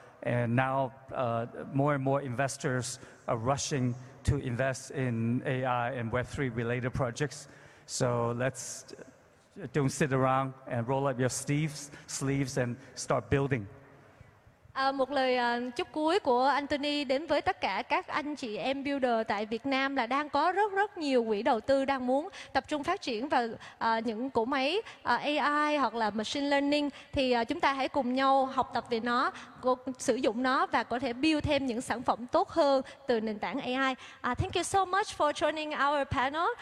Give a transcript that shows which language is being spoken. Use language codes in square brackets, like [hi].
[en] And now more and more investors are rushing to invest in AI and Web3 related projects. So let's don't sit around and roll up your sleeves and start building. [vi] Một lời chúc cuối của Anthony đến với tất cả các anh chị em builder tại Việt Nam là đang có rất rất nhiều quỹ đầu tư đang muốn tập trung phát triển vào những cỗ máy AI hoặc là machine learning, thì chúng ta hãy cùng nhau học tập về nó, sử dụng nó và có thể build thêm những sản phẩm tốt hơn từ nền tảng AI. [en] Thank you so much for joining our panel.